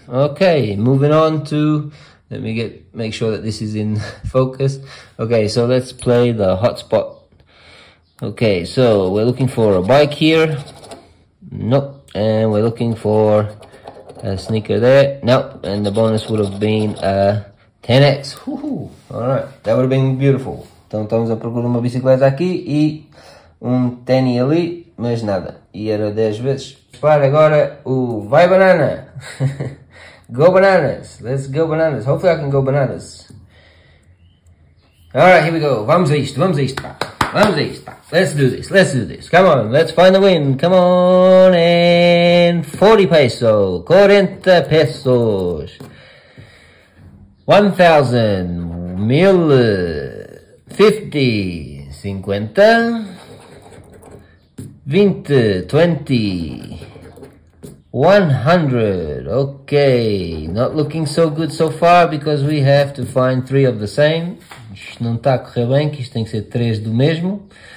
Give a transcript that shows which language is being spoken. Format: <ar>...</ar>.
<en>Okay, moving on to, let me get, make sure that this is in focus. Okay, so let's play the hotspot. Okay, so we're looking for a bike here. Nope. And we're looking for a sneaker there. Nope. And the bonus would have been a 10x. Woohoo. All right. That would have been beautiful.</en> <pt>Então estamos a procurar uma bicicleta aqui e um tênis ali, mas nada. E era 10 vezes. Para agora o Vai Banana.</pt> <en>Go Bananas. Let's go Bananas. Hopefully I can go Bananas. Alright, here we go.</en> <pt>Vamos a isto, vamos a isto.</pt> <en>Vamos a isto. Let's do this, let's do this. Come on, let's find the win. Come on. And 40 pesos. 40 pesos. 1000. Mil. 50, 50, 20, 20, 100, okay, not looking so good so far because we have to find 3 of the same.</en> <pt>Isto não está a correr bem, que isto tem que ser 3 do mesmo.</pt>